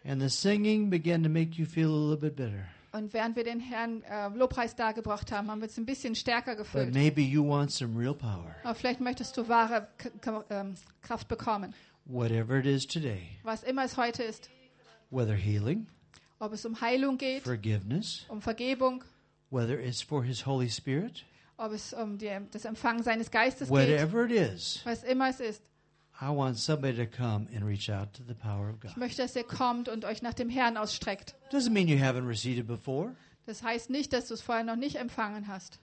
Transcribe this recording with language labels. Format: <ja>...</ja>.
<en>And the singing began to make you feel a little bit better.</en> <de>Und während wir den Herrn Lobpreis dargebracht haben, haben wir uns ein bisschen stärker gefühlt.</de> <en>But maybe you want some real power.</en> <de>Aber vielleicht möchtest du wahre Kraft bekommen.</de> <en>Whatever it is today.</en> <de>Was immer es heute ist.</de> <en>Whether healing.</en> <de>Ob es um Heilung geht.</de> <en>Forgiveness.</en> <de>Um Vergebung.</de> <en>Whether it's for his Holy Spirit.</en> <de>Ob es um das Empfangen seines Geistes</de> <en>whatever</en> <de>geht,</de> <en>it is,</en> <de>was immer es ist.</de> <en>I want somebody to come and reach out to the power of God.</en> <de>Ich möchte, dass ihr kommt und euch nach dem Herrn ausstreckt.</de> <en>Doesn't mean you haven't received it before.</en> <de>Das heißt nicht, dass du es vorher noch nicht empfangen hast.</de>